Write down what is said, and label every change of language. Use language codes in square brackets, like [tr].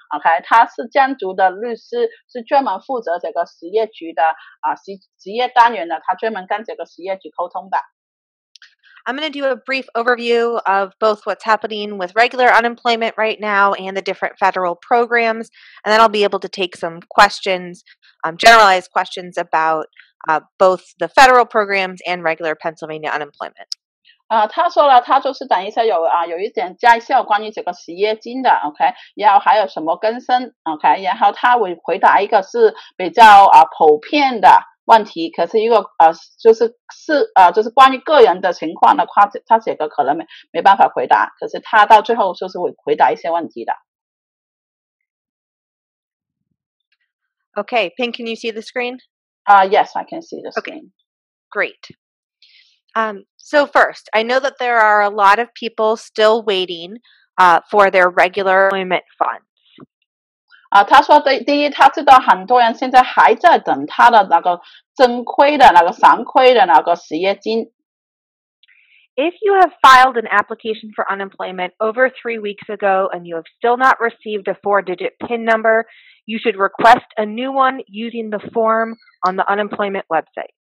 [zh] OK， 他是江族的律师，是专门负责这个实业局的职业单元的，他专门跟这个实业局沟通的。 [en] I'm going to do a brief overview of both what's happening with regular unemployment right now and the different federal programs, and then I'll be able to take some questions, generalized questions about both the federal programs and regular Pennsylvania unemployment. [zh] 他说了，他就是等一下有一点介绍关于这个失业金的 ，OK， 然后还有什么更新 ，OK， 然后他会回答一个是比较普遍的。问题，可是一个就是关于个人的情况的话，他这个可能没办法回答，可是他到最后就是会回答一些问题的。 [en] Okay, Ping, can you see the screen? Yes, I can see the screen. Okay. Great. So first, I know that there are a lot of people still waiting for their regular employment funds. [zh] 他说第一，他知道很多人现在还在等他的那个正规的那个常规的那个失业金。 [en] If you have filed an application for unemployment over 3 weeks ago and you have still not received a four-digit PIN number, you should request a new one using the form on the unemployment website.